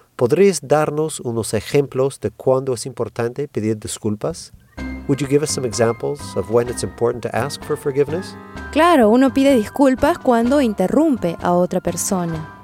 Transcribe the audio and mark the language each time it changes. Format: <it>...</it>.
<es>¿Podrías darnos unos ejemplos de cuándo es importante pedir disculpas?</es> <en>Would you give us some examples of when it's important to ask for forgiveness?</en> <es>Claro, uno pide disculpas cuando interrumpe a otra persona.</es>